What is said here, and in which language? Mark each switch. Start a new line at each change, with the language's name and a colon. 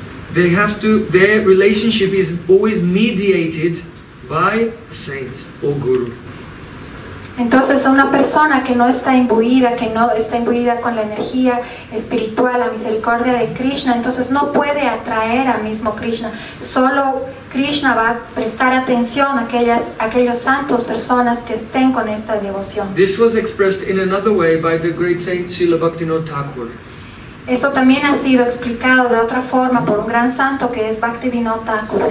English: Their relationship is always mediated by saint or guru.
Spanish: Entonces, una persona que no está imbuida, que no está imbuida con la energía espiritual, la misericordia de Krishna, entonces no puede atraer a mismo Krishna. Solo Krishna va a prestar atención a aquellos santos, personas que estén con esta devoción.
English: This was expressed in another way by the great saint Srila Bhaktivinoda Thakur.
Spanish: Esto también ha sido explicado de otra forma por un gran santo que es Bhaktivinoda Thakur.